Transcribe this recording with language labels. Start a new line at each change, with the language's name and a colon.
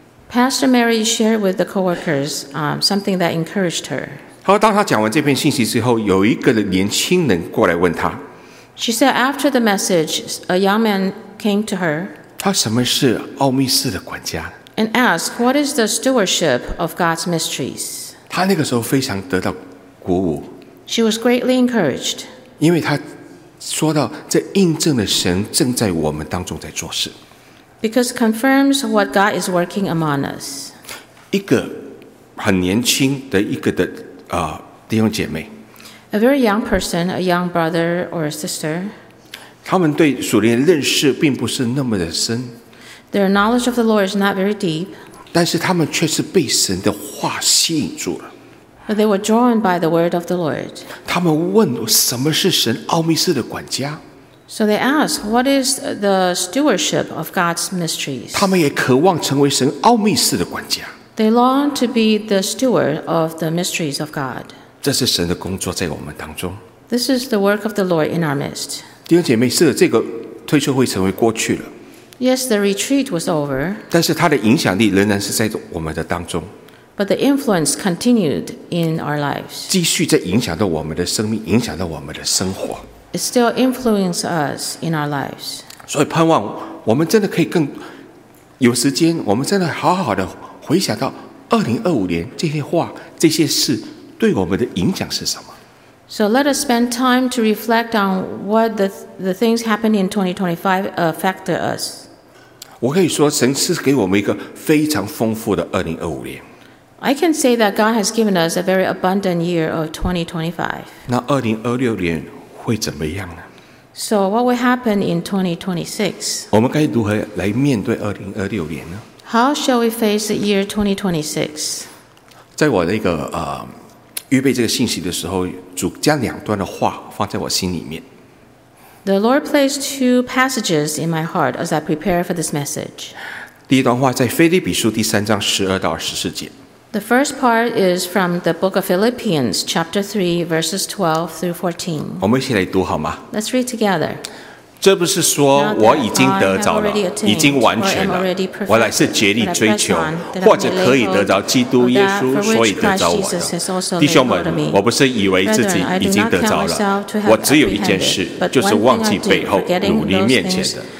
English: Pastor Mary shared with the coworkers something that encouraged her.
Chinese: 好，当他讲完这篇信息之后，有一个年轻人过来问他。
English: She said after the message, a young man came to her.
Chinese: 他什么是奥秘室的管家
English: ？And asked, "What is the stewardship of God's mysteries?"
Chinese: 他那个时候非常得到鼓舞。
English: She was greatly encouraged.
Chinese: 因为他说到，这印证了神正在我们当中在做事。
English: Because it confirms what God is working among us.
Chinese: 一个很年轻的一个的弟兄姐妹。
English: A very young person, a young brother or a sister.
Chinese: 他们对属灵的认识并不是那么的深。
English: Their knowledge of the Lord is not very deep.
Chinese: 但是他们却是被神的话吸引住了。
English: But they were drawn by the word of the Lord.
Chinese: 他们问什么是神奥秘室的管家。
English: So they ask, what is the stewardship of God's mysteries?
Chinese: 他们也渴望成为神奥秘室的管家。
English: They long to be the steward of the mysteries of God.
Chinese: 这是神的工作在我们当中。
English: This is the work of the Lord in our midst.
Chinese: 弟兄姐妹，是的，这个退休会成为过去了。
English: Yes, the retreat was over.
Chinese: 但是它的影响力仍然是在我们的当中。
English: But the influence continued in our lives.
Chinese: 继续在影响到我们的生命，影响到我们的生活。
English: It still influences us in our lives.
Chinese: 所以盼望我们真的可以更有时间，我们真的好好的回想到2025年这些话、这些事对我们的影响是什么。
English: So let us spend time to reflect on what the things happened in 2025 affect us.
Chinese: 我可以说，神是给我们一个非常丰富的2025年。
English: I can say that God has given us a very abundant year of 2025.
Chinese: 那2026年会怎么样呢？
English: So what will happen in 2026?
Chinese: 我们该如何来面对2026年呢？
English: How shall we face the year 2026?
Chinese: 在我那个预备这个信息的时候，主将两段的话放在我心里面。
English: The Lord placed two passages in my heart as I prepare for this message.
Chinese: 第一段话在腓立比书第三章12-24节。
English: The first part is from the book of Philippians, chapter 3, verses 12 through 14.
Chinese: 我们一起来读好吗？
English: Let's read together.
Chinese: 这不是说我已经得着了，已经完全了，我乃是竭力追求，或者可以得着基督耶稣，所以得着我的。弟兄们，我不是以为自己已经得着了，我只有一件事，就是忘记背后，努力面前的。